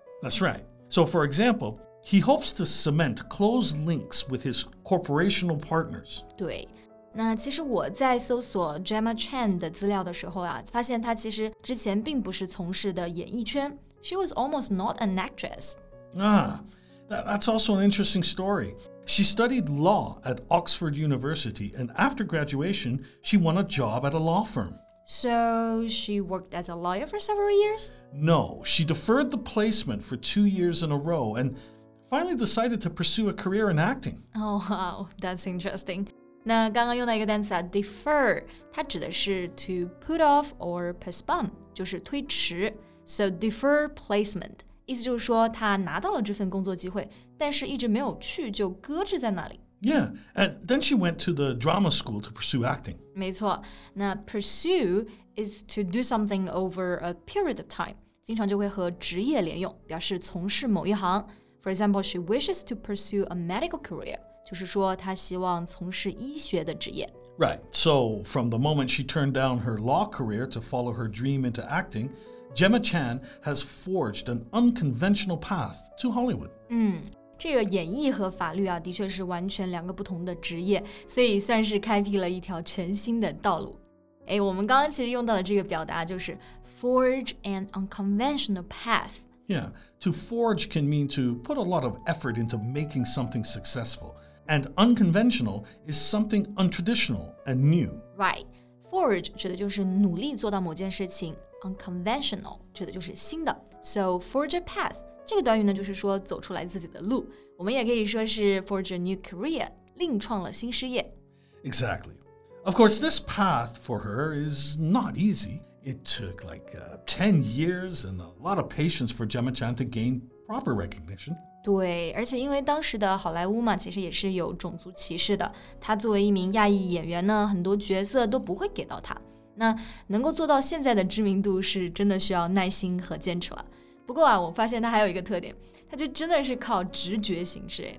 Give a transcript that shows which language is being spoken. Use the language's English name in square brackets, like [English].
[English] That's right. So for example, he hopes to cement close links with his corporational partners. [Chinese] 对，那其实我在搜索 Gemma Chan 的资料的时候啊，发现她其实之前并不是从事的演艺圈。 [English] She was almost not an actress. That's also an interesting story. She studied law at Oxford University, and after graduation, she won a job at a law firm. So she worked as a lawyer for several years? No, she deferred the placement for 2 years in a row and finally decided to pursue a career in acting. Oh, wow, that's interesting. [Chinese] 那刚刚用到一个单词啊 defer, 它指的是 [English] to put off or postpone, [Chinese] 就是推迟。 [English] So defer placement. [Chinese] 意思就是说他拿到了这份工作机会但是一直没有去就搁置在那里。 [English] Yeah, and then she went to the drama school to pursue acting. [Chinese] 没错，那 [English] pursue is to do something over a period of time. [Chinese] 经常就会和职业连用，表示从事某一行。 [English] For example, she wishes to pursue a medical career. [Chinese] 就是说她希望从事医学的职业。 [English] Right, so from the moment she turned down her law career to follow her dream into acting, Gemma Chan has forged an unconventional path to Hollywood. [Chinese] 这个演艺和法律啊，的确是完全两个不同的职业，所以算是开辟了一条全新的道路。哎，我们刚刚其实用到的这个表达就是 [English] forge an unconventional path. Yeah, to forge can mean to put a lot of effort into making something successful. And unconventional is something untraditional and new. Right. [Chinese] Forge 指的就是努力做到某件事情。Unconventional 指的就是新的。 [English] So forge a path, [Chinese] 这个短语呢就是说走出来自己的路。我们也可以说是 [English] forge a new career, [Chinese] 另创了新事业。 [English] Exactly. Of course, this path for her is not easy. It took like 10 years and a lot of patience for Gemma Chan to gain proper recognition. [Chinese] 对，而且因为当时的好莱坞嘛，其实也是有种族歧视的。她作为一名亚裔演员呢，很多角色都不会给到她。那能够做到现在的知名度，是真的需要耐心和坚持了。不过啊，我发现她还有一个特点，她就真的是靠直觉行事。